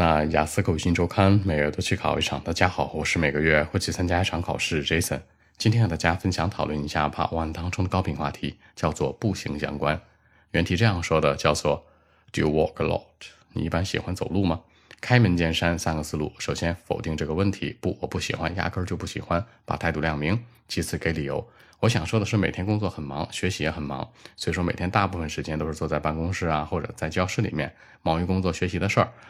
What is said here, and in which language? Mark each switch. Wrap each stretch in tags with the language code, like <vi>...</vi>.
<zh>雅思口语新周刊每月都去考一场。大家好，我是每个月会去参加一场考试 Jason。今天和大家分享讨论一下 Part 1当中的高频话题，叫做步行相关。</zh> <en>原题这样说的，叫做 Do you walk a lot?</en> <zh>你一般喜欢走路吗？开门见山三个思路，首先否定这个问题，不，我不喜欢，压根就不喜欢，把态度亮明。其次给理由，我想说的是每天工作很忙，学习也很忙，所以说每天大部分时间都是坐在办公室啊，或者在教室里面忙于工作学习的事儿。</zh>